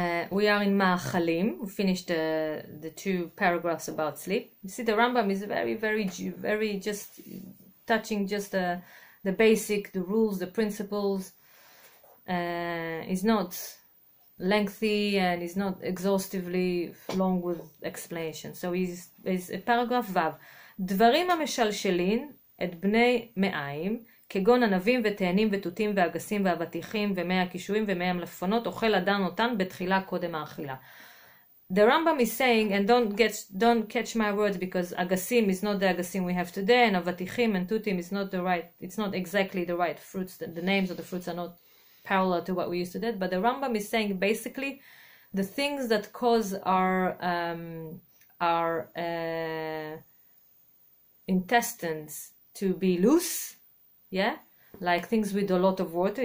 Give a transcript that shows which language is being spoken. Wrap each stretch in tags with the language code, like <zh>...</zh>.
<en>We are in Ma'achalim. We finished the two paragraphs about sleep. You see, the Rambam is very, very, very just touching just the basic, the rules, the principles. It's not lengthy and it's not exhaustively long with explanation. So it's a paragraph Vav.</en> <he>דברים המשלשלים את בני מאיים, כגון ענבים ותאנים ותותים ואגסים ואבטיחים ומאה קישואים ומאה מלפפונות, אוכל אדם אותן בתחילה קודם האכילה.</he> <en>The Rambam is saying, and don't catch my words, because agasim is not the agasim we have today, and avatichim and tutim is not the right, it's not exactly the right fruits, the names of the fruits are not parallel to what we used to do, but the Rambam is saying basically the things that cause our intestines to be loose, yeah, like things with a lot of water.</en>